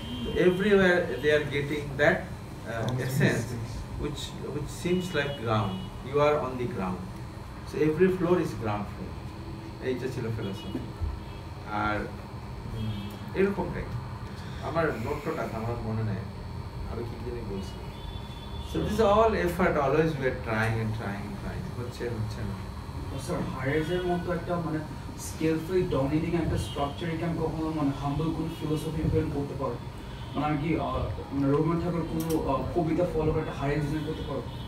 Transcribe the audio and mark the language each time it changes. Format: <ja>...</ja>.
<en>তো everywhere they are getting that essence which seems like ground, you are on the ground, so every floor is ground floor,</en> <bn>এইটা ছিল philosophy. আর এরকমটাই আমার নোটটা আমার মনে নেই আরো কি জানি বলছি।</bn> <en>So this is all effort, always we are trying and trying and trying.</en> <bn>হচ্ছে হচ্ছে না। স্যার হায়ারের মতো একটা মানে স্কেলফুলি ডমিনেটিং একটা স্ট্রাকচার কি আমি কখনো মানে হাম্বল কোনো ফিলোসফি ইমপ্লিমেন্ট করতে পারো? মানে আমি কি মানে রবীন্দ্রনাথ ঠাকুর কোনো কবিতা ফলো করে একটা হায়ার ডিজাইন করতে পারো?</bn>